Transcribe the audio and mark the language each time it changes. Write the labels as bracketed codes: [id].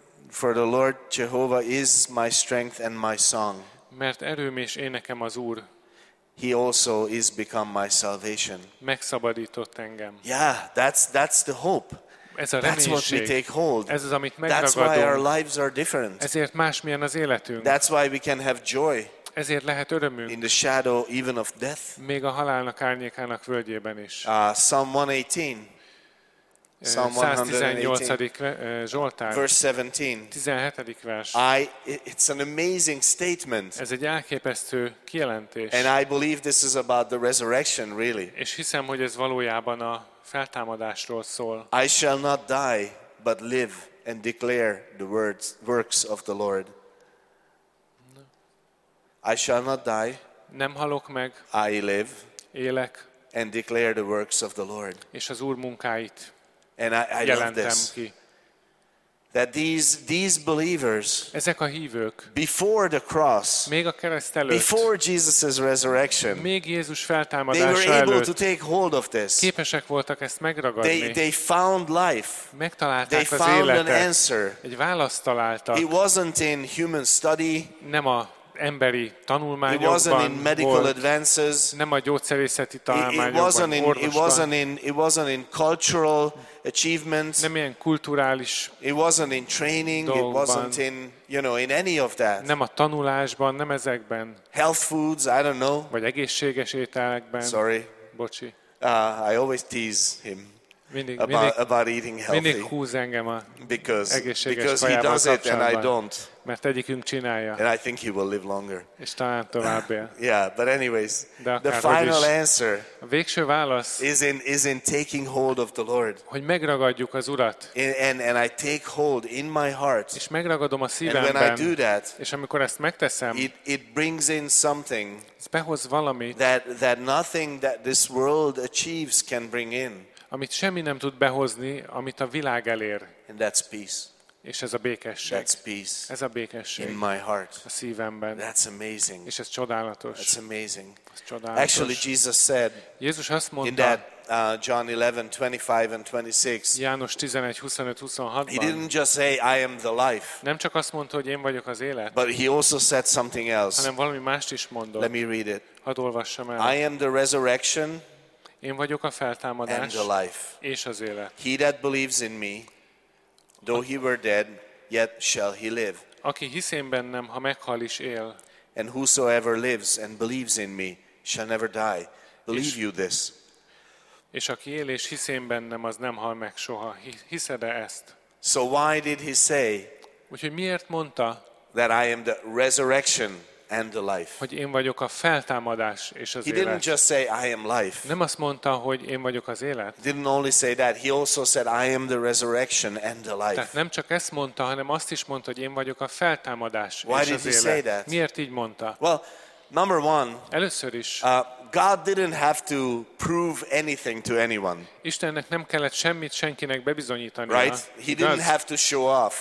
[en] For the Lord Jehovah is my strength and my song. [hu] Mert erőm és énekem az Úr. [en] He also is become my salvation. [hu] Megszabadított engem. [en] Yeah, that's the hope. [hu] Ez a reménység. [en] That's what we take hold. [hu] Ez az, amit megragadunk. [en] That's why our lives are different. [hu] Ezért másmilyen az életünk. [en] That's why we can have joy. [hu] Ezért lehet örömünk. [en] In the shadow even of death. [hu] Még a halálnak árnyékának völgyében is. [en] Psalm 118. Psalm 118. Zsoltár. Verse 17. [hu] 17. vers. [en] It's an amazing statement. [hu] Ez egy elképesztő kijelentés. [en] And I believe this is about the resurrection, really. [hu] És hiszem, hogy ez valójában a feltámadásról szól. [en] I shall not die, but live and declare the works of the Lord. I shall not die. [hu] Nem halok meg. [en] I live. [hu] Élek. [en] And declare the works of the Lord. [hu] És az Úr munkáit. [en] And I love this. [hu] Ki. [en] That these believers, [hu] ezek a hívők, [en] before the cross, [hu] még a kereszt előtt, [en] before Jesus' resurrection, [hu] még Jézus feltámadása [en] they were able [hu] előtt, [en] to take hold of this. [hu] Képesek voltak ezt megragadni. [en] They found life. [hu] Megtalálták [en] they [hu] az [en] found [hu] életet. [en] An answer. [hu] Egy választ találtak. [en] It wasn't in human study. [hu] Nem a emberi tanulmányokban, [en] it wasn't in medical advances, [hu] nem a gyógyszerészeti tanulmányokban, [en] it wasn't in cultural achievements. [hu] Nem ilyen kulturális dolgokban. [en] It wasn't in training, it wasn't in, you know, in any of that. [hu] Nem a tanulásban, nem ezekben. [en] Health foods, I don't know. [hu] Vagy egészséges ételekben. [en] Sorry. [hu] Bocsi. [en] I always tease him. [hu] Mindig, [en] about eating healthy. [hu] Mindig húz engem a [en] because he does it and I don't. [hu] Mert egyikünk csinálja. [en] And I think he will live longer. [hu] És talán tovább él. [en] Yeah, but anyways, the final answer. [hu] A végső válasz. [en] Is in taking hold of the Lord. [hu] Hogy megragadjuk az Urat. [en] And I take hold in my heart. [hu] És megragadom a szívemben. [en] And when I do that, [hu] és amikor ezt megteszem, [en] it brings in something. [hu] Ez behoz valamit. [en] That nothing that this world achieves can bring in. [hu] Amit semmi nem tud behozni, amit a világ elér. [en] And that's peace. [hu] És ez a békesség. [en] That's peace. [hu] Ez a békesség. [en] In my heart. [hu] A szívemben. [en] That's amazing. [hu] És ez csodálatos. [en] That's amazing. [hu] Ez csodálatos. [en] Actually, Jesus said. [hu] Jézus azt mondta. [en] In that John 11:25 and 26. [hu] János 11:25-26. [en] He didn't just say I am the life. [hu] Nem csak azt mondta, hogy én vagyok az élet. [en] But he also said something else. [hu] Hanem valami mást is mondott. [en] Let me read it. [hu] Hadd olvassam el. [en] I am the resurrection. [hu] Én vagyok a feltámadás [en] and the life. [hu] És az élet. [en] He that believes in me, though he were dead, yet shall he live. [hu] Aki hisz én bennem, ha meghal is él. [en] And whosoever lives and believes in me shall never die. Believe you this. [hu] És aki él és hisz én bennem, az nem hal meg soha. Hiszed-e ezt? [en] So why did he say? [hu] Úgyhogy miért mondta? [en] That I am the resurrection. And the life. [hu] Hogy én vagyok a feltámadás és az élet. [en] He didn't just say I am life. [hu] Nem azt mondta, hogy én vagyok az élet. [en] Didn't only say that, he also said I am the resurrection and the life. [hu] Tehát nem csak ezt mondta, hanem azt is mondta, hogy én vagyok a feltámadás és az [en] Why did he say that? [hu] Miért így mondta? [en] Well, number one. [hu] Először is. [en] God didn't have to prove anything to anyone. [hu] Istennek nem kellett semmit senkinek bebizonyítania. [en] Right? He didn't have to show off.